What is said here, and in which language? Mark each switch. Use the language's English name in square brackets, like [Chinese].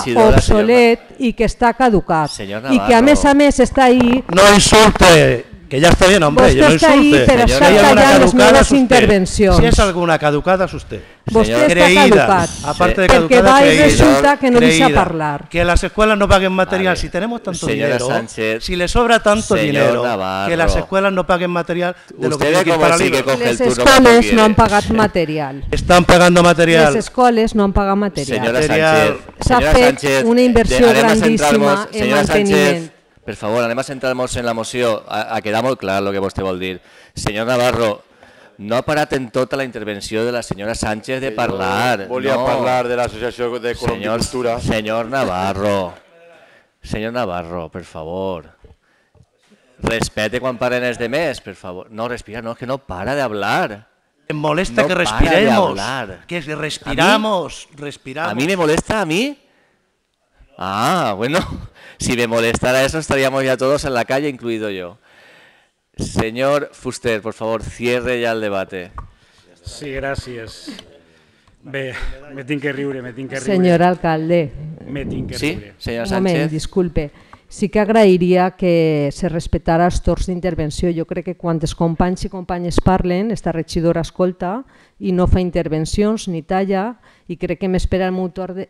[Catalan] que està obsolet i que està caducat. I que a més està ahí... No insulte, que ja està bé, home, jo no insulte. Vostè està ahí per estar tallant les meves intervencions. Si és alguna caducada, és vostè. Vostè està caducat. A part de creïda. Perquè va i resulta que no deixa parlar. Que les escoles no paguen material. [Spanish] Si tenemos tanto dinero, si le sobra tanto dinero, que las escuelas no paguen material de lo que tiene que parar. [Catalan] Les escoles no han pagat material. [Spanish] Están pagando material. [Catalan] Les escoles no han pagat material. Senyora Sánchez. S'ha fet una inversió grandíssima en manteniment. Per favor, anem a centrar-nos en la moció. Ha quedat molt clar el que vostè vol dir. Senyor Navarro, no ha parat en tota la intervenció de la senyora Sánchez de parlar. Volia parlar de l'Associació de Colombicultura. Senyor Navarro, senyor Navarro, per favor, respete quan parlen els demés, per favor. No, respira, no, és que no para [Spanish] de hablar. Em molesta que respiremos. Que respiramos, respiramos. A mi me molesta, a mi? Ah, bueno... Si me molestara eso, estaríamos ya todos en la calle, incluido yo. Señor Fuster, por favor, cierre ya el debate. Sí, gracias. [Catalan] Bé, me tinc que riure, me tinc que riure. Senyor alcalde. Me tinc que sí? riure. Sí, senyor Sánchez. Un moment, disculpe. Sí que agrairia que se respetara els torns d'intervenció. Jo crec que quan els companys i companyes parlen, esta regidora escolta i no fa intervencions ni talla, i crec que m'espera el meu torn.